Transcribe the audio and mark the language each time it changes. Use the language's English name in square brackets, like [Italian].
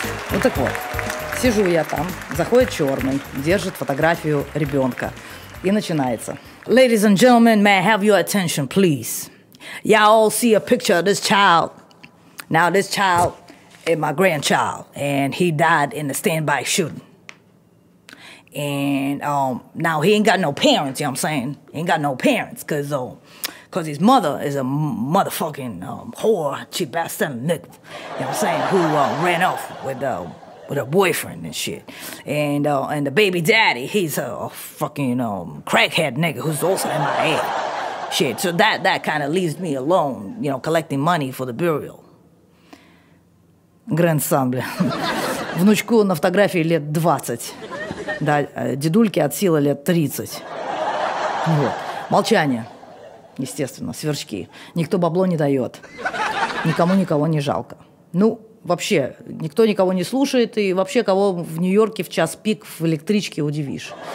[Russian] Вот так вот, сижу я там, заходит черный, держит фотографию ребенка и начинается. [English] Ladies and gentlemen, may I have your attention, please? Y'all see a picture of this child. Now this child is my grandchild, and he died in a standby shooting. And now he ain't got no parents, you know what I'm saying? He ain't got no parents, cause his mother is a motherfucking whore, cheap ass son of a nigga, you know what I'm saying? Who ran off with her boyfriend and shit. And the baby daddy, he's a fucking crackhead nigga who's also in my head. Shit, so that kind of leaves me alone, you know, collecting money for the burial. [Russian] Грэндсон, блин. Внучку на фотографии лет 20. Да, дедульке от силы лет 30. Вот. Молчание. Естественно, сверчки. Никто бабло не дает. Никому никого не жалко. Ну, вообще, никто никого не слушает. И вообще, кого в Нью-Йорке в час пик в электричке удивишь.